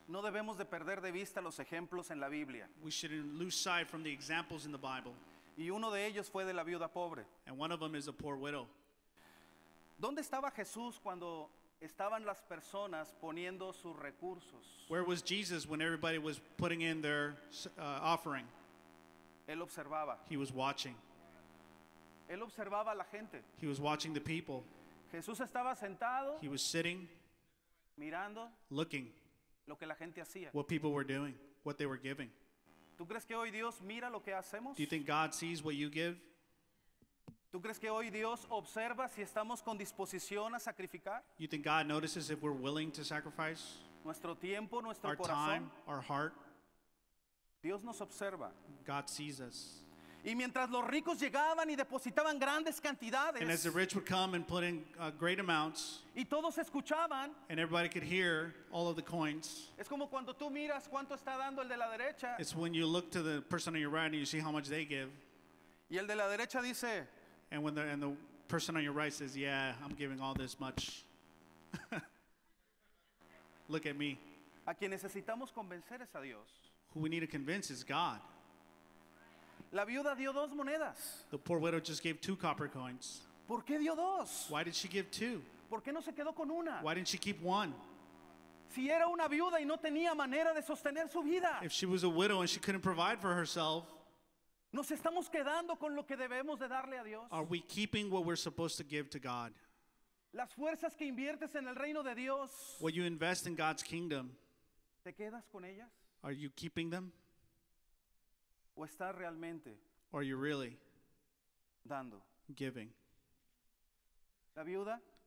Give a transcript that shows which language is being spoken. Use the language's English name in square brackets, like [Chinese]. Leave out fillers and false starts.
[Spanish] no debemos de perder de vista los ejemplos en la Biblia. [English] We shouldn't lose sight from the examples in the Bible. [Spanish] Y uno de ellos fue de la viuda pobre. [English] And one of them is a poor widow. [Spanish] ¿Dónde estaba Jesús cuando estaban las personas poniendo sus recursos? [English] Where was Jesus when everybody was putting in their offering? [Spanish] Él observaba. [English] He was watching. [Spanish] Él observaba a la gente. [English] He was watching the people. [Spanish] Jesús estaba sentado. [English] He was sitting. [Spanish] Mirando. [English] Looking. [Spanish] Lo que la gente hacía. [English] What people were doing, what they were giving. [Spanish] ¿Tú crees que hoy Dios mira lo que hacemos? [English] Do you think God sees what you give? [Spanish] ¿Tú crees que hoy Dios observa si estamos con disposición a sacrificar? [English] You think God notices if we're willing to sacrifice? [Spanish] Nuestro tiempo, nuestro [English] our [Spanish] corazón. [English] Our time, our heart. [Spanish] Dios nos observa. [English] God sees us. [Spanish] Y mientras los ricos llegaban y depositaban grandes cantidades. [English] And as the rich would come and put in great amounts. [Spanish] Y todos escuchaban. [English] And everybody could hear all of the coins. [Spanish] Es como cuando tú miras cuánto está dando el de la derecha. [English] It's when you look to the person on your right and you see how much they give. [Spanish] Y el de la derecha dice. [English] And when the person on your right says, yeah, I'm giving all this much. Look at me. [Spanish] A quien necesitamos convencer es a Dios. [English] Who we need to convince is God. [Spanish] La viuda dio dos monedas. [English] The poor widow just gave two copper coins. [Spanish] ¿Por qué dio dos? [English] Why did she give two? [Spanish] ¿Por qué no se quedó con una? [English] Why didn't she keep one? [Spanish] Si era una viuda y no tenía manera de sostener su vida. [English] If she was a widow and she couldn't provide for herself. [Spanish] Nos estamos quedando con lo que debemos de darle a Dios. [English] Are we keeping what we're supposed to give to God? [Spanish] Las fuerzas que inviertes en el reino de Dios. [English] What you invest in God's kingdom. [Spanish] ¿Te quedas con ellas? [English] Are you keeping them? [Spanish] ¿O estás realmente? [English] Are you really? [Spanish] Dando. [English] Giving. [Spanish] La viuda.